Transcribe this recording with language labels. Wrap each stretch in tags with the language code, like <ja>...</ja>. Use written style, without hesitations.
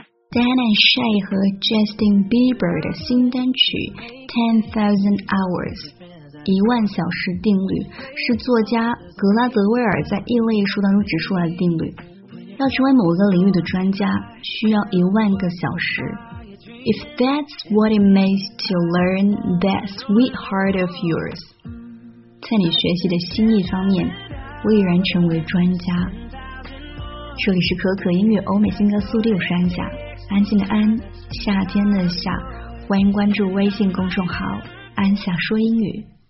<zh>Dana Shay 和 Justin Bieber 的新单曲 10,000 Hours 一万小时定律，是作家格拉德威尔在异类书当中指出来的定律。要成为某个领域的专家，需要一万个小时。</zh> <en>If that's what it means to learn that sweetheart of yours，</en> <zh>在你学习的心意方面，蔚然成为专家。这里是可可音乐欧美新歌速递，我是安夏，安静的安，夏天的夏，欢迎关注微信公众号安夏说英语。</zh>